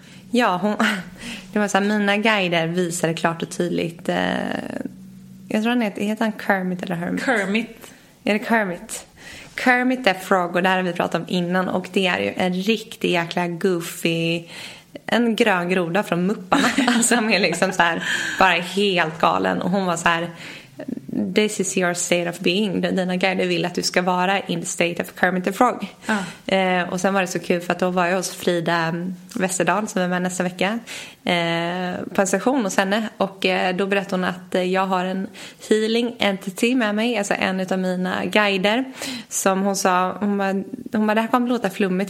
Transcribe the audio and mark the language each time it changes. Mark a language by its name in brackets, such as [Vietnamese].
[Swedish] Ja, det var så här, mina guider visade klart och tydligt, jag tror han heter han Kermit eller Hermit? Kermit. Är det Kermit? Kermit the Frog, och det här har vi pratat om innan, och det är ju en riktig jäkla goofy... En grön groda från Mupparna som är liksom så här, bara helt galen. Och hon var så här, [English] this is your state of being. [Swedish] Dina guider vill att du ska vara [English] in the state of Kermit the Frog. [Swedish] Och sen var det så kul, för att då var jag hos Frida Westerdahl som är med nästa vecka. På en session hos henne. Och då berättade hon att jag har en healing entity med mig. Alltså en av mina guider. Som hon sa, hon bara, det här kommer låta flummigt.